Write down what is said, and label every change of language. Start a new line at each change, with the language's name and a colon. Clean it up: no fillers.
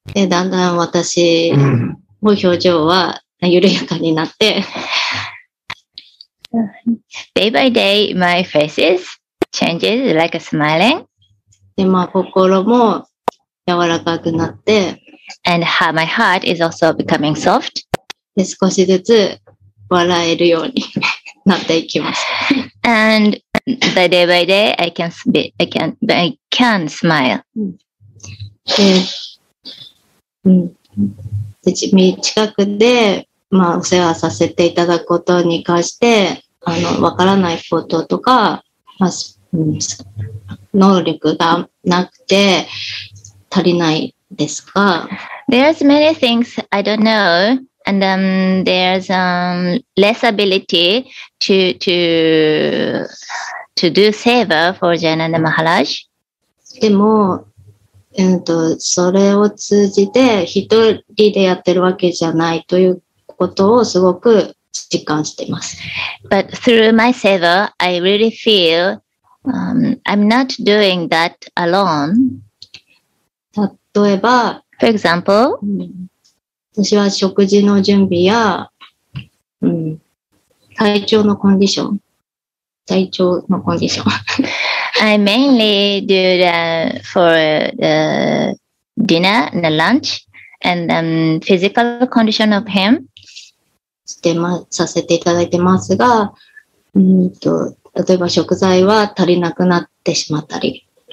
Japanese: だんだん私の表情は緩やかになって
English: day by day my face is changes like a smiling.
Japanese: で、まあ、心も柔らかくなって
English: and how my heart is also becoming soft.
Japanese: で、少しずつ笑えるようになっていきます。
English: and the day by day I can smile.
Japanese: で、うん、で、近くでまあ、お世話させていただくことに関して、わからないこととか、まあ、能力がなくて足りないですか？
English: There's many things I don't know, and there's less ability to do seva for Jananda Maharaj.
Japanese: でも、それを通じて一人でやってるわけじゃないというか、ことをすごく実感しています。
English: But through my seva, I really feel I'm not doing that alone.
Japanese: 例えば、
English: For example,
Japanese: 私は食事の準備や、体調のコンディション、体調のコンディション。
English: I mainly do the for the dinner and the lunch and physical condition of him.
Japanese: して、ま、させていただいてますが、例えば食材は足りなくなってしまったり。